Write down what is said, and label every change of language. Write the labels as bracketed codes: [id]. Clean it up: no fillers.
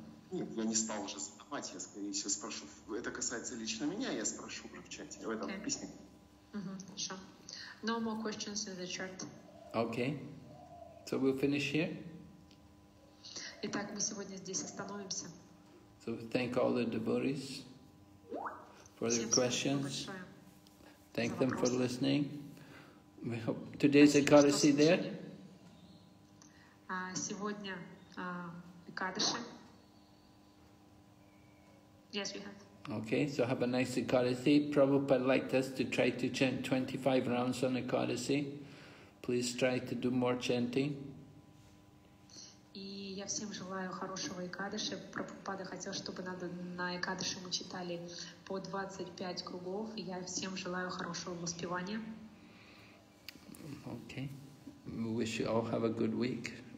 [ru] Нет, я не стал уже задавать, я, скорее всего, спрошу. Это касается лично меня, я спрошу уже в чате, в этом письме. Хорошо. [en] No more questions in the chat. Okay. So we'll finish here? [ru] Итак, мы сегодня здесь остановимся. [en] So we thank all the devotees for their questions. Thank them for listening. We hope today's Ekadashi there. [ru] Сегодня Ekadashi. [en] Yes, we have. Okay, so have a nice Ekadashi. Prabhupada liked us to try to chant 25 rounds on Ekadashi. Please try to do more chanting. [ru] И я всем желаю хорошего Ekadashi. Прабхупада хотел, чтобы на Ekadashi мы читали по 25 кругов. Я всем желаю хорошего воспевания. [en] Okay. We wish you all have a good week.